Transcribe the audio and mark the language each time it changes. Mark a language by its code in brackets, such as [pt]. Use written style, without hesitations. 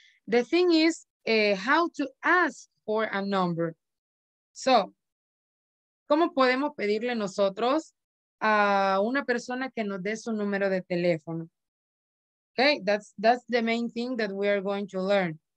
[en] The thing is how to ask for a number. [es] So, ¿cómo podemos pedirle nosotros a una persona que nos dé su número de teléfono? [en] Okay, that's the main thing that we are going to learn.